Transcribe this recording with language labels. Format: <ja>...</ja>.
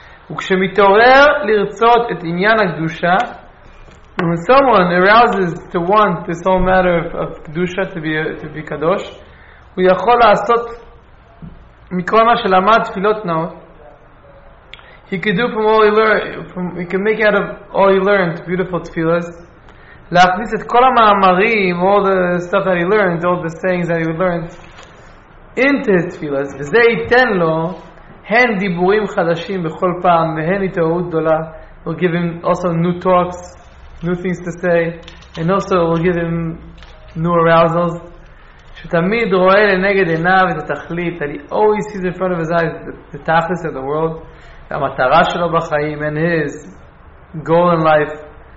<he>וכשמתעורר לרצות את עניין הקדושה,</he> <en>when someone arouses to want this whole matter of kedusha to be kadosh,</en> <he>הוא יכול לעשות מכל מה שלמד תפילות נאות.</he> <en>He could do from all he learned. He can make out of all he learned beautiful tefillas. להכניס את כל המאמרים, all the stuff that he learned, all the sayings that he learned, into his tefillas.</en> <he>וזה ייתן לו הן דיבורים חדשים בכל פעם, והן התעוררות גדולה.</he> <en>We'll give him also new talks, new things to say, and also we'll give him new arousals. שתמיד רואה לנגד עיניו את התכלית, that he always sees in front of his eyes the tachlis of the world, והמטרה שלו בחיים, and his goal in life.</en>